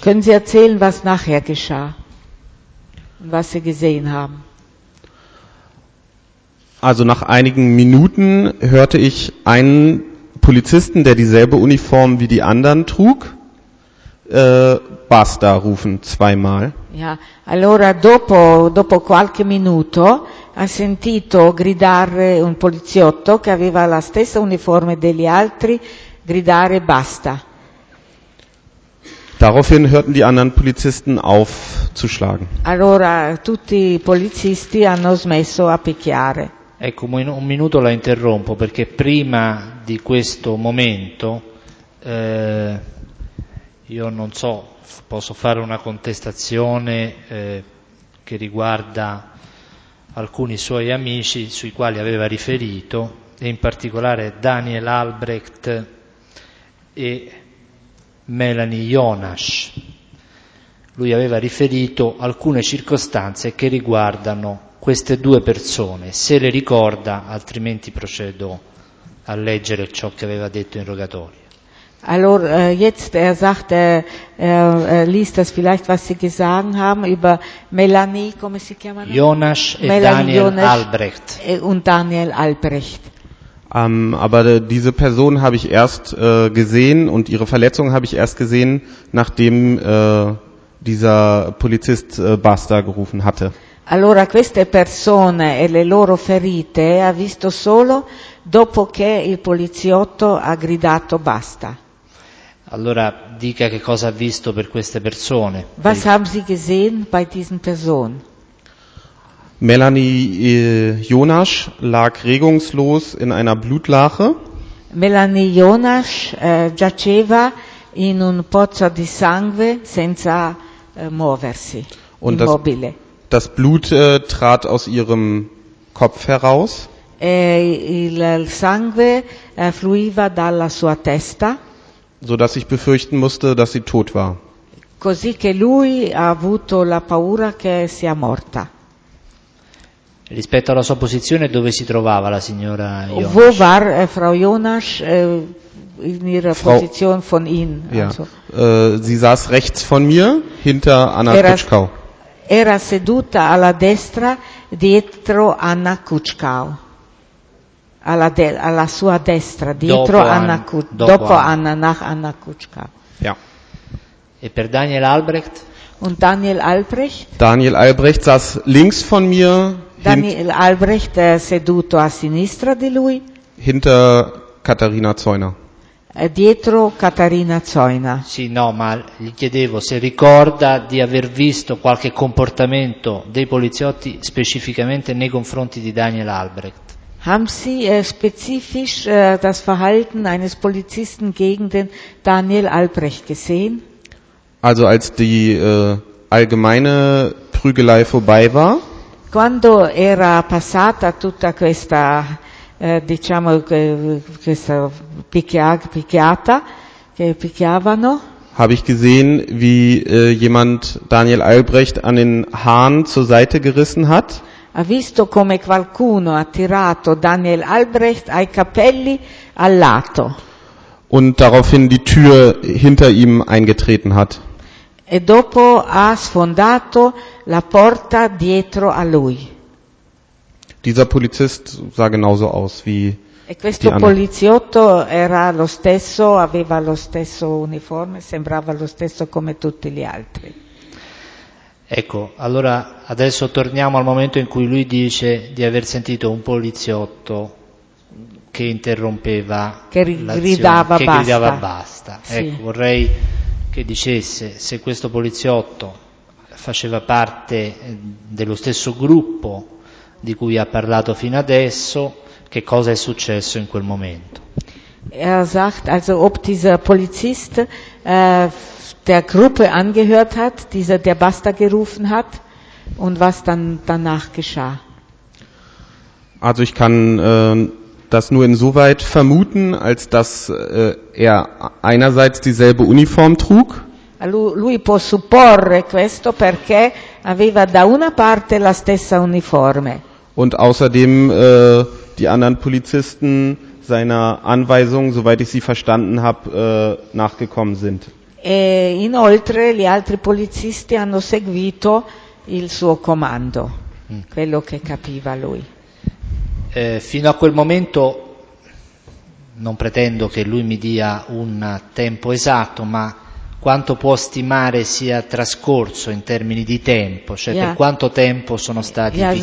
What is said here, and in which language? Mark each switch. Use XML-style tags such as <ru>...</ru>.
<de>Können Sie erzählen, was nachher geschah? Was Sie gesehen haben? Also nach einigen Minuten hörte ich einen Polizisten, der dieselbe Uniform wie die anderen trug, basta rufen zweimal.</de> <it>Ja, allora dopo qualche minuto ha sentito gridare un poliziotto che aveva la stessa uniforme degli altri, gridare basta.</it> <de>Daraufhin hörten die anderen Polizisten auf zu schlagen.</de> <it>Allora tutti i polizisti hanno smesso a picchiare. Ecco, un minuto la interrompo perché prima di questo momento io non so, posso fare una contestazione che riguarda alcuni suoi amici sui quali aveva riferito, e in particolare Daniel Albrecht e Melanie Jonas. Lui aveva riferito alcune circostanze che riguardano queste due persone, se le ricorda, altrimenti procedo a leggere ciò che aveva detto in rogatorio. Allora,</it> <de>jetzt, er sagt, liest das vielleicht, was sie gesagt haben über Melanie,</de> <it>come si chiamano? Jonas e Daniel Jonas Albrecht.</it> <de>Und Daniel Albrecht. Aber diese Person habe ich erst gesehen und ihre Verletzung habe ich erst gesehen, nachdem dieser Polizist Basta gerufen hatte.</de> <it>Allora, queste persone e le loro ferite ha visto solo dopo che il poliziotto ha gridato basta. Allora, dica che cosa ha visto per queste persone.</it> <de>Was haben Sie gesehen bei diesen Personen? Melanie Jonas lag regungslos in einer Blutlache.</de> <it>Melanie Jonas giaceva in un pozzo di sangue senza muoversi,</it> <de>und</de> <it>immobile.</it> <de>Das Blut trat aus ihrem Kopf heraus.</de> <it>E il sangue fluiva dalla sua testa.</it> <de>So dass ich befürchten musste, dass sie tot war.</de> <it>Così che lui ha avuto la paura che sia morta. Rispetto alla sua posizione, dove si trovava la signora Jonas?</it> <de>Wo war Frau Jonas in ihrer Position von Ihnen? Ja. Also. Sie saß rechts von mir, hinter Anna Kutschkau.</de> <it>Era seduta alla destra dietro Anna Kutschkau. Alla sua destra, dietro Anna Kutschkau. Dopo Anna,</it> <de>nach</de> <it>Anna Kutschkau.</it> <de>Ja.</de> <it>E per Daniel Albrecht?</it> <de>Und Daniel Albrecht? Daniel Albrecht saß links von mir.</de> <it>Daniel Albrecht seduto a sinistra di lui.</it> <de>Hinter Katharina Zeuner.</de> <it>Dietro Katharina Zeuner. Sì, no, ma gli chiedevo se ricorda di aver visto qualche comportamento dei poliziotti specificamente nei confronti di Daniel Albrecht.</it> <de>Haben Sie spezifisch das Verhalten eines Polizisten gegen den Daniel Albrecht gesehen? Also als die allgemeine Prügelei vorbei war.</de> <it>Quando era passata tutta questa diciamo questa picchiata che picchiavano,</it> <de>habe ich gesehen, wie jemand Daniel Albrecht an den Haaren zur Seite gerissen hat.</de> <it>Ha visto come qualcuno ha tirato Daniel Albrecht ai capelli al lato.</it> <de>Und daraufhin die Tür hinter ihm eingetreten hat.</de> <it>E dopo ha sfondato la porta dietro a lui.</it> <de>Dieser Polizist sah genauso aus wie</de> <it>e questo poliziotto era lo stesso, aveva lo stesso uniforme, sembrava lo stesso come tutti gli altri. Ecco, allora adesso torniamo al momento in cui lui dice di aver sentito un poliziotto che interrompeva, che gridava, che basta. Gridava basta. Sì. Ecco, vorrei che dicesse se questo poliziotto faceva parte dello stesso gruppo di cui ha parlato fino adesso, che cosa è successo in quel momento.</it> <de>Er sagt also, ob dieser Polizist der Gruppe angehört hat, dieser der Basta gerufen hat, und was dann danach geschah. Also ich kann das nur insoweit vermuten, als dass er einerseits dieselbe Uniform trug.</de> <it>Lui può supporre questo perché aveva da una parte la stessa uniforme.</it> <de>Und außerdem die anderen Polizisten seiner Anweisung, soweit ich sie verstanden habe, nachgekommen sind.</de> <it>E inoltre gli altri polizisti hanno seguito il suo comando, quello che capiva lui. Fino a quel momento non pretendo che lui mi dia un tempo esatto, ma quanto può stimare sia trascorso in termini di tempo, cioè per quanto tempo sono stati picchiati.</it>